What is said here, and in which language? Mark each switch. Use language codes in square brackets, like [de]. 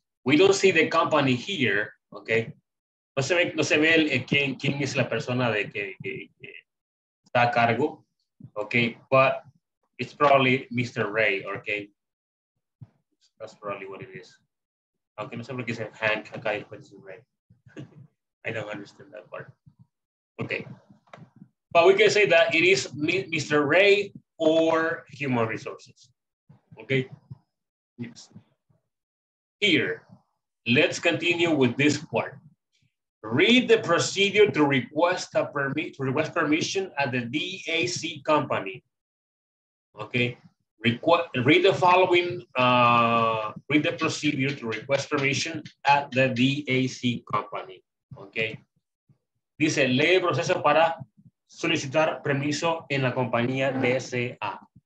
[en] We don't see the company here. [es] Okay. No se ve quién es la persona de que está a cargo. [en] Okay. But it's probably Mr. Ray. Okay. That's probably what it is. [es] Aunque no sé por qué dice Hank acá y después dice Ray. [en] I don't understand that part. Okay. But we can say that it is Mr. Ray or human resources, okay? Yes. Here, let's continue with this part. Read the procedure to request a permit, to request permission at the DAC company, okay? Read the procedure to request permission at the DAC company, okay? [es] Dice, lee el proceso para solicitar permiso en la compañía DSA.